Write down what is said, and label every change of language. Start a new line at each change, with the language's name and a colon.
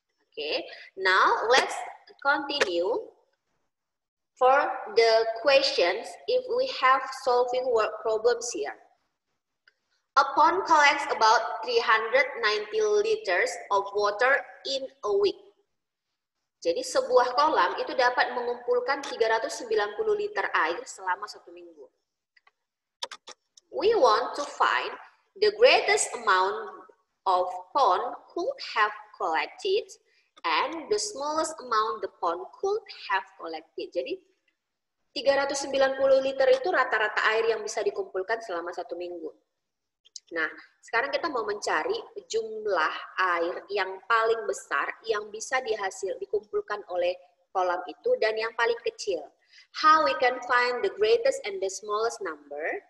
English: Okay, now let's continue for the questions if we have solving work problems here. Upon collects about 390 liters of water in a week.
Indonesian: Jadi sebuah kolam itu dapat mengumpulkan 390 liter air selama satu minggu.
English: We want to find the greatest amount of pond could have collected and the smallest amount the pond could have collected.
Indonesian: Jadi 390 liter itu rata-rata air yang bisa dikumpulkan selama satu minggu. Nah, sekarang kita mau mencari jumlah air yang paling besar yang bisa dikumpulkan oleh kolam itu dan yang paling kecil.
English: How we can find the greatest and the smallest number?